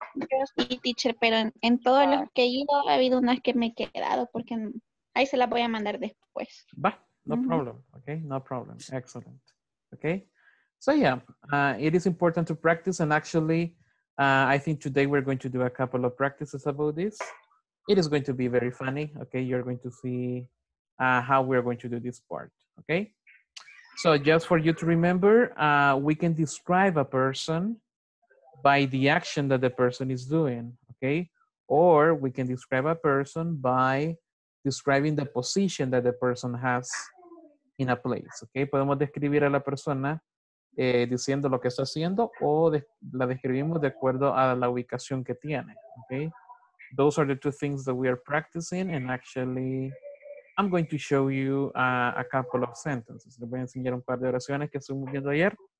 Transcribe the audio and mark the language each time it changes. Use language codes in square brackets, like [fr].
[es] Yo sí, teacher, pero en todos los que he ido ha habido unas que me he quedado porque ahí se las voy a mandar después. [en] Va, no problem. Okay, no problem. Excellent. Okay. So yeah, it is important to practice and actually I think today we're going to do a couple of practices about this. It is going to be very funny, okay? You're going to see how we're going to do this part, okay? So just for you to remember, we can describe a person by the action that the person is doing, okay? Or we can describe a person by describing the position that the person has in a place, okay? [es] Podemos describir a la persona diciendo lo que está haciendo o la describimos de acuerdo a la ubicación que tiene, okay? [en] Those are the two things that we are practicing and actually I'm going to show you a couple of sentences. [es] Les voy a enseñar un par de oraciones que estuvimos viendo ayer.